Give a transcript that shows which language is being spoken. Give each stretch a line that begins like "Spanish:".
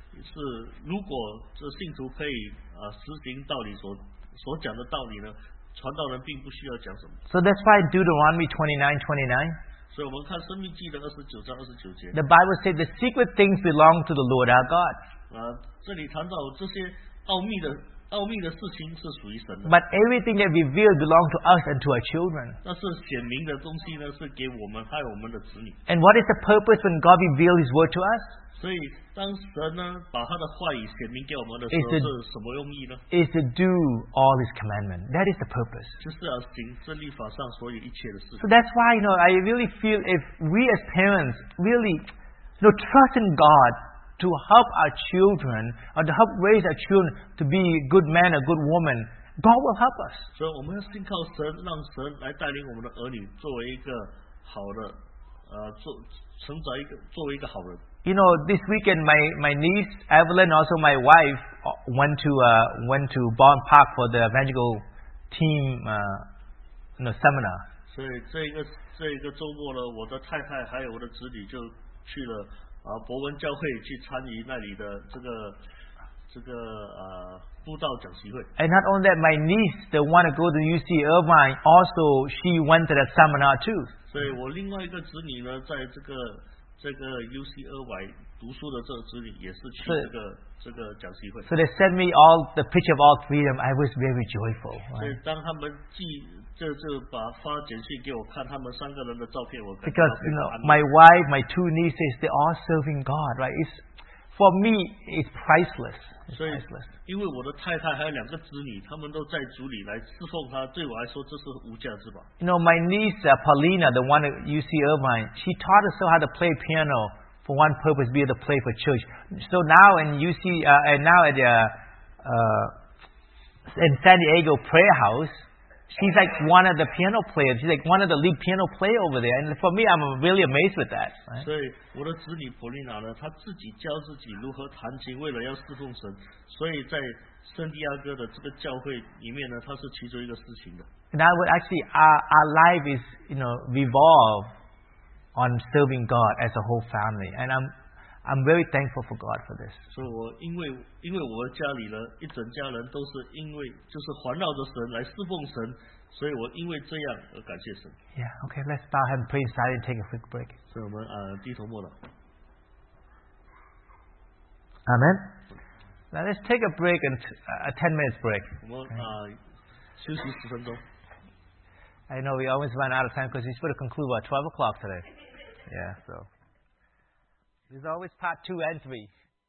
Chinese: 是如果这信徒可以实行道理所讲的道理呢？传道人并不需要讲什么。
English: So that's why Deuteronomy 29:29.
Chinese: 所以我们看《生命记》的29:29。
English: The Bible says the secret things belong to the Lord our God.
Chinese: 这里谈到这些奥秘的事情是属于神的。
English: But everything that revealed belongs to us and to our children.
Chinese: 但是显明的东西呢，是给我们还有我们的子女。
English: And what is the purpose when God revealed His word to us?
Chinese: 所以当神呢把他的话语显明给我们的时候，是什么用意呢？
English: Is to do all His commandment. That is the purpose.
Chinese: 就是要行这律法上所有一切的事。
English: So that's why, you know, I really feel if we as parents really, you know, trust in God to help our children or to help raise our children to be a good man, a good woman, God will help us.
Chinese: 所以我们要信靠神，让神来带领我们的儿女作为一个好的，成长一个作为一个好人。
English: You know, this weekend my niece Evelyn, also my wife, went to Bond Park for the evangelical team seminar.
Chinese: 所以这一个周末呢，我的太太还有我的子女就去了伯文教会去参与那里的这个布道讲习会。
English: And not only that, my niece, the one to go to UC Irvine, also she went to the seminar too.
Chinese: 所以我另外一个子女呢，在这个 UC 二外读书的这个子女也是去这个讲习会。
English: So they sent me all the picture of all three of them. I was very joyful.
Chinese: 所以当他们寄这就把发简讯给我看他们三个人的照片，我感到非常安慰。
English: Because you know, my wife, my two nieces, they are serving God, right? It's for me, it's priceless. Priceless.
Chinese: 因为我的太太还有两个子女，他们都在主里来侍奉他，对我来说这是无价之宝。
English: You know, my niece Paulina, the one at UC Irvine, she taught herself how to play piano for one purpose, be able to play for church. So now in UC, in San Diego Prayer House, she's like one of the piano players. She's like one of the lead piano player over there. And for me, I'm really amazed with that. Right?
Chinese: 所以我的子女普利娜呢，她自己教自己如何弹琴，为了要侍奉神。所以在圣地亚哥的这个教会里面呢，她是其中一个事情的。
English: And I would actually, our life is, you know, revolve on serving God as a whole family. And I'm very thankful for God for this.
Chinese: 所以我因为我家里人一整家人都是因为就是环绕着神来侍奉神，所以我因为这样而感谢神。
English: Yeah, okay, let's bow and pray inside and take a quick break.
Chinese: 所以我们低头默祷。
English: Amen. Now let's take a break and a 10 minutes break.
Chinese: 我们休息十分钟。
English: I know we always run out of time because we're supposed to conclude about 12 o'clock today. Yeah, so. There's always part 2 and 3.